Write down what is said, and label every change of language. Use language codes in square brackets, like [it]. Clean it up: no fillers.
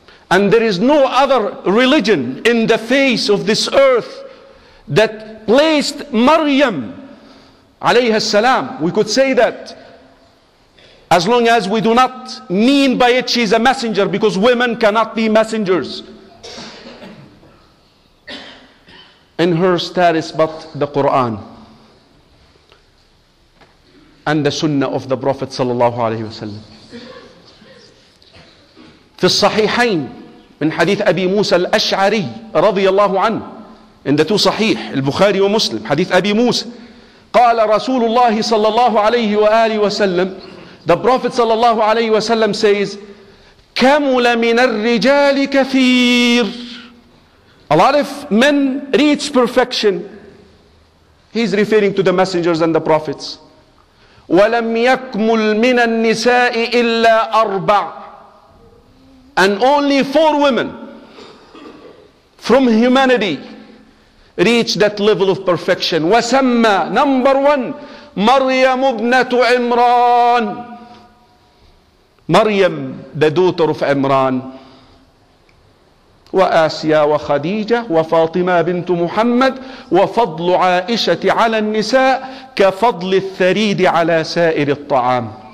[en] And there is no other religion in the face of this earth that placed Maryam عليها السلام, we could say that, as long as we do not mean by it she is a messenger, because women cannot be messengers, in her status but the Quran and the Sunnah of the Prophet sallallahu alaihi wasallam. [ar] في الصحيحين من حديث أبي موسى الأشعري رضي الله عنه, [en] in the two [ar] صحيح البخاري ومسلم, حديث أبي موسى, قال رسول الله صلى الله عليه وآله وسلم, [en] the Prophet صلى الله عليه وسلم says, [ar] كمل من الرجال كثير. [en] A lot of men reach perfection. He's referring to the messengers and the prophets. [ar] ولم يكمل من النساء إلا أربع. [en] And only four women from humanity reach that level of perfection. [ar] وسمى, [en] number one, [ar] مريم ابنة عمران. [en] مريم, the daughter of Imran. [ar] وآسيا وخديجة وفاطمة بنت محمد وفضل عائشة على النساء كفضل الثريد على سائر الطعام.